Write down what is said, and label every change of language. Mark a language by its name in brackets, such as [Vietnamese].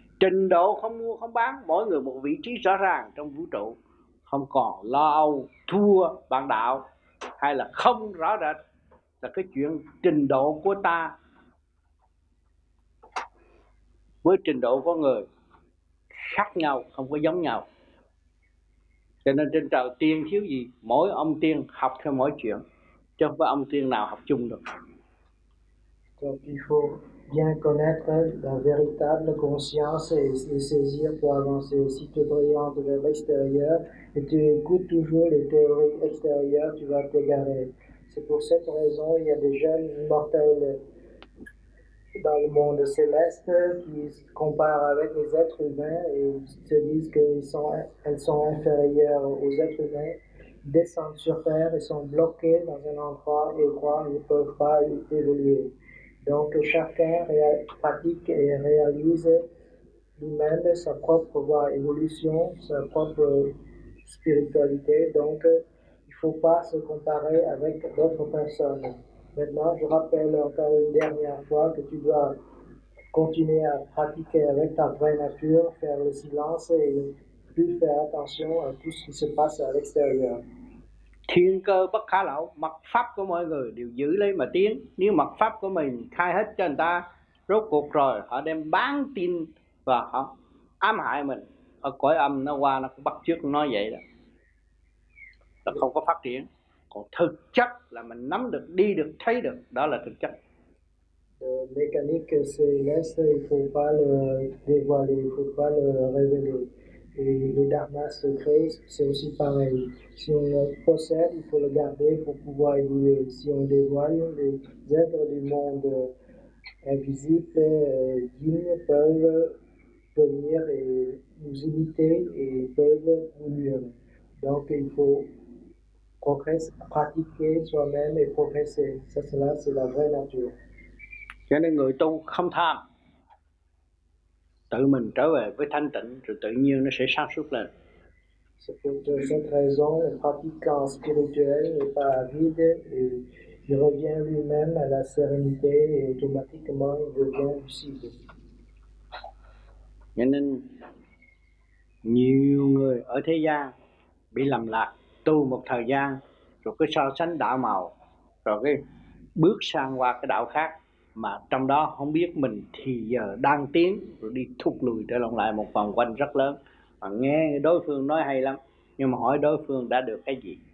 [Vietnamese] Trình độ không mua không bán, mỗi người một vị trí rõ ràng trong vũ trụ, không còn lo âu thua bạn đạo hay là không rõ rệt là cái chuyện trình độ của ta với trình độ của người khác nhau, không có giống nhau. Cho nên trên trời tiên thiếu gì, mỗi ông tiên học theo mỗi chuyện, chứ không phải ông tiên nào học chung được. [French] Donc il faut bien connaître la véritable conscience et les saisir pour avancer. Si tu t'orientes vers l'extérieur et tu écoutes toujours les théories extérieures, tu vas t'égarer. C'est pour cette raison qu'il y a des jeunes mortels dans le monde céleste qui se comparent avec les êtres humains et se disent qu'elles sont inférieures aux êtres humains, descendent sur terre et sont bloquées dans un endroit et croient qu'ils ne peuvent pas évoluer. Donc chacun pratique et réalise lui-même sa propre voie d'évolution, sa propre spiritualité. Donc il ne faut pas se comparer avec d'autres personnes. Maintenant, je rappelle encore une dernière fois que tu dois continuer à pratiquer avec ta vraie nature, faire le silence et ne plus faire attention à tout ce qui se passe à l'extérieur. [Vietnamese] Thiên cơ bất khả lão, mật pháp của mọi người đều giữ lấy mà tiến. Nếu mật pháp của mình khai hết cho người ta, rốt cuộc rồi họ đem bán tin và họ ám hại mình. Ở cõi âm nó qua nó cũng bắt chước nói vậy đó. Nó không có phát triển. Còn thực chất là mình nắm được, đi được, thấy được, đó là thực chất. [French] Mécanique céleste, il ne faut pas le dévoiler, il ne faut pas le révéler. Et le dharma secret, c'est aussi pareil. Si on le possède, il faut le garder pour pouvoir évoluer. Si on dévoile, les êtres du monde invisible, dignes, peuvent venir et nous imiter et peuvent évoluer. Donc il faut pratiquer soi-même et progresser. Ça, cela, c'est la vraie nature. [Vietnamese] Cho nên người tu không tham. Tự mình trở về với thanh tịnh rồi tự nhiên nó sẽ sáng suốt lên. [French] C'est pour cette raison, le pratiquant spirituel n'est pas vide et il revient lui-même à la sérénité et automatiquement il devient lucide. [Vietnamese] Cho nên nhiều người ở thế gian bị lầm lạc, tu một thời gian rồi cứ so sánh đạo màu, rồi cái bước sang qua cái đạo khác. Mà trong đó không biết mình thì giờ đang tiến rồi đi thụt lùi trở lại một vòng quanh rất lớn. Mà nghe đối phương nói hay lắm, nhưng mà hỏi đối phương đã được cái gì?